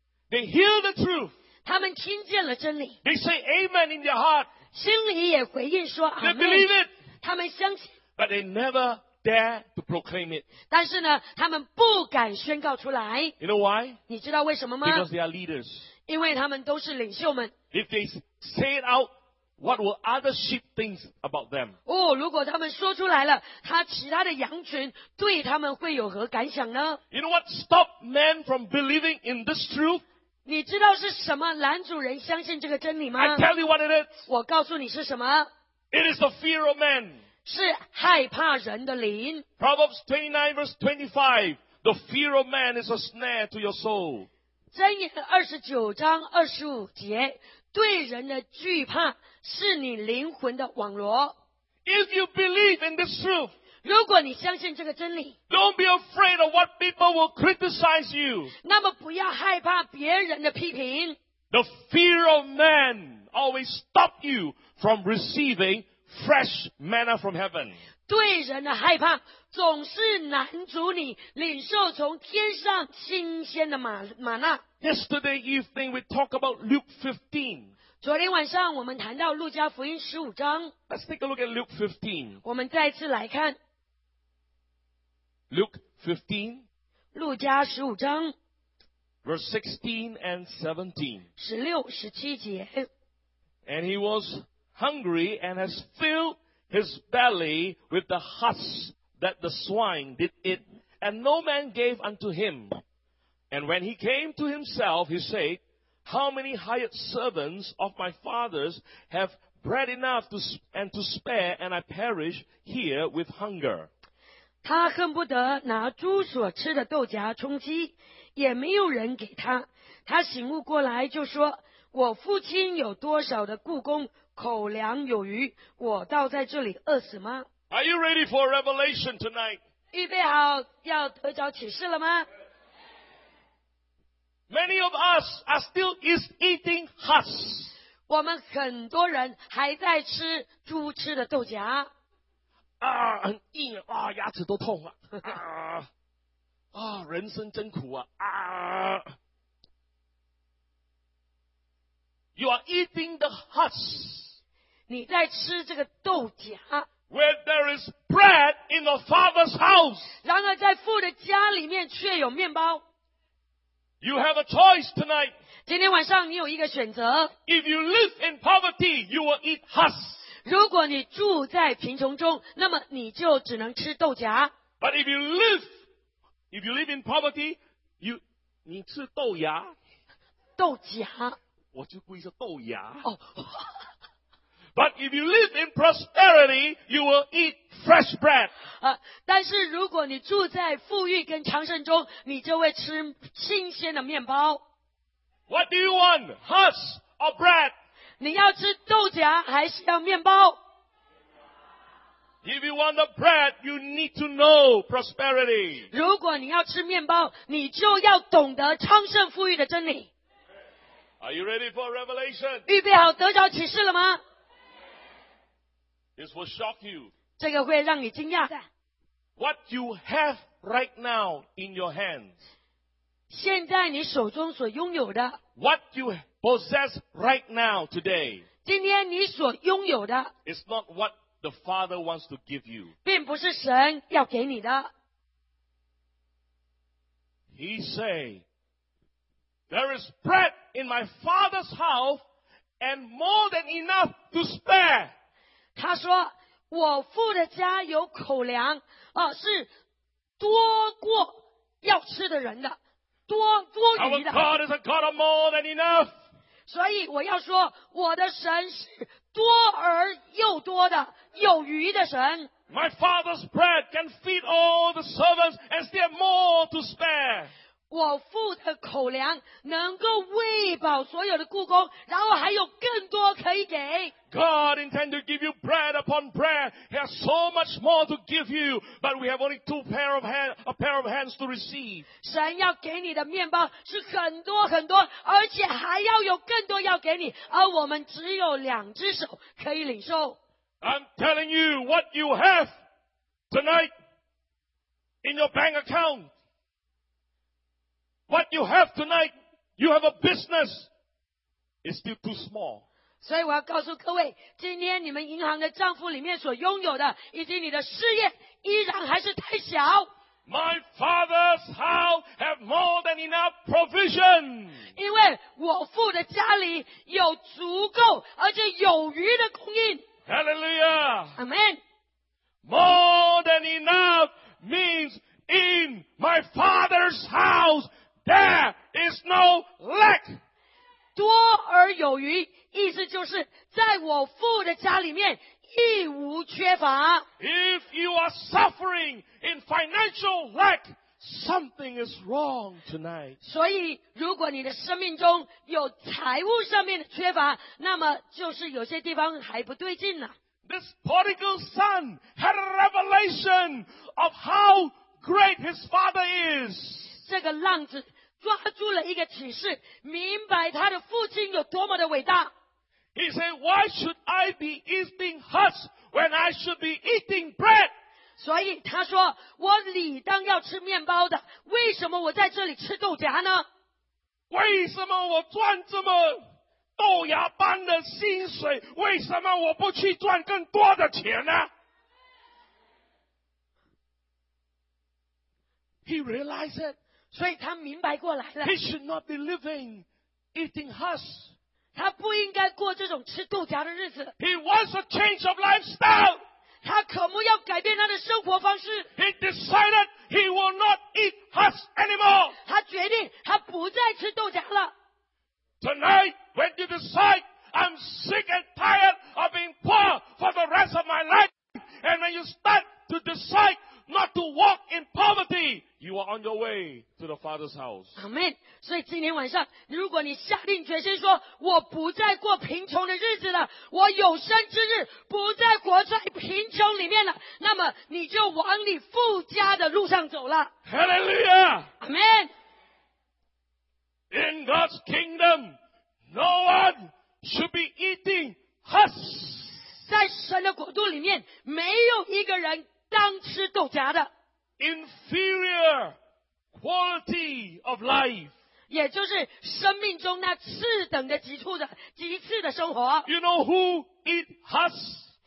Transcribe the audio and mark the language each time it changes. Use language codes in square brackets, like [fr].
[en] they hear the truth. [zh] 他们听见了真理。 [en] They say amen in their heart. [zh] 心里也回应说 [en] amen. They believe it. [zh] 他们相信。 [en] But they never dare to proclaim it. [zh] 但是呢，他们不敢宣告出来。 [en] You know why? [zh] 你知道为什么吗？ [en] Because they are leaders. [zh] 因为他们都是领袖们。 [en] If they say it out, what will other sheep think about them? [zh] 哦，如果他们说出来了，他其他的羊群对他们会有何感想呢？ [en] You know what stopped men from believing in this truth? [zh] 你知道是什么拦阻人相信这个真理吗？ [en] I tell you what it is. [zh] 我告诉你是什么？ [en] It is the fear of men. [zh] 是害怕人的灵。 [en] Proverbs 29 verse 25. The fear of man is a snare to your soul. [zh] 箴言29章25节，对人的惧怕是你灵魂的网罗。 [en] If you believe in this truth, [zh] 如果你相信这个真理， [en] Don't be afraid of what people will criticize you. [zh] 那么不要害怕别人的批评。 [en] The fear of man always stop you from receiving fresh manna from heaven. [zh] 对人的害怕总是拦阻你领受从天上新鲜的玛纳。 [en] Yesterday evening we talked about Luke 15. [zh] 昨天晚上我们谈到路加福音十五章。 [en] Let's take a look at Luke 15. [zh] 我们再次来看。 [en] Luke 15. [zh] 路加十五章。 [en] Verse 16 and 17. [zh] 十六、十七节。 [en] And he was hungry and has filled his belly with the husks that the swine did eat, and no man gave unto him. And when he came to himself, he said,How many hired servants of my father's have bread enough to spare, and I perish here with hunger? [zh] 他恨不得拿猪所吃的豆荚充饥，也没有人给他。他醒悟过来，就说：我父亲有多少的雇工，口粮有余，我倒在这里饿死吗？ [en] Are you ready for a revelation tonight? [zh] 预备好要得着启示了吗？ [en] Many of us are still is eating husks. [zh] 我们很多人还在吃猪吃的豆荚。啊，很硬啊，牙齿都痛啊。啊，人生真苦啊。啊。 [en] You are eating the husks. [zh] 你在吃这个豆荚。 [en] Where there is bread in the father's house. [zh] 然而在父的家里面却有面包。 [en] You have a choice tonight. [zh] 今天晚上你有一个选择。 [en] If you live in poverty, you will eat husks. [zh] 如果你住在贫穷中，那么你就只能吃豆荚。 [en] But if you live in poverty, you [zh] 吃豆芽。豆荚。我就故意说豆芽。哦。 [en] But if you live in prosperity, you will eat fresh bread. [zh] 但是如果你住在富裕跟昌盛中，你就会吃新鲜的面包。 [en] What do you want? Husks or bread? [zh] 你要吃豆荚还是要面包？ [en] If you want the bread, you need to know prosperity. [zh] 如果你要吃面包，你就要懂得昌盛富裕的真理。 [en] Are you ready for revelation? [zh] 预备好得着启示了吗？ [en] This will shock you. [zh] 这个会让你惊讶的。 [en] What you have right now in your hands. [zh] 现在你手中所拥有的。 [en] What you possess right now today. [zh] 今天你所拥有的。 [en] It's not what the Father wants to give you. [zh] 并不是神要给你的。 [en] He say, there is bread in my father's house and more than enough to spare. [zh] 他说，我父的家有口粮，啊，是多过要吃的人的，多余的。 [en] Our God is a God of more than enough. [zh] 所以我要说，我的神是多而又多的，有余的神。 [en] My father's bread can feed all the servants and still more to spare. [zh] 我父的口粮能够喂饱所有的雇工，然后还有更多可以给。 [en] God intends to give you bread upon bread. He has so much more to give you, but we have only a pair of hands to receive. [zh] 神要给你的面包是很多很多，而且还要有更多要给你，而我们只有两只手可以领受。 [en] I'm telling you what you have tonight in your bank account. What you have tonight, you have a business, is still too small. [zh] 所以我要告诉各位，今天你们银行的账户里面所拥有的，以及你的事业，依然还是太小。 [en] My father's house has more than enough provision. [zh] 因为我父的家里有足够而且有余的供应。 [en] Hallelujah. Amen. More than enough means in my father's house there is no lack. [zh] 多而有余意思就是在我父的家里面一无缺乏。 [en] If you are suffering in financial lack, something is wrong tonight. [zh] 所以如果你的生命中有财务上面的缺乏，那么就是有些地方还不对劲了。 [en] This prodigal son had a revelation of how great his father is. [zh] 这个浪子抓住了一个启示，明白他的父亲有多么的伟大。 [en] He said, why should I be eating husks when I should be eating bread? [zh] 所以他说，我理当要吃面包的，为什么我在这里吃豆荚呢？为什么我赚这么豆芽般的薪水，为什么我不去赚更多的钱呢？ [en] He realized it. [zh] 所以他明白过来了。 [en] He should not be living eating husks. [zh] 他不应该过这种吃豆荚的日子。 [en] He wants a change of lifestyle. [zh] 他渴慕要改变他的生活方式。 [en] He decided he will not eat husks anymore. [zh] 他决定他不再吃豆荚了。 [en] Tonight, when you decide, I'm sick and tired of being poor for the rest of my life, and when you start to decide not to walk in poverty,You are on your way to the Father's house. Amen. [zh] 所以今天晚上，如果你下定决心说，我不再过贫穷的日子了，我有生之日不再活在贫穷里面了，那么你就往你富家的路上走了。 [en] Hallelujah. Amen. In God's kingdom, no one should be eating husks. [zh] 在神的国度里面，没有一个人当吃豆荚的。 [en] Inferior quality of life. [zh] 也就是生命中那次等的极次的生活。 [en] You know who eat husks?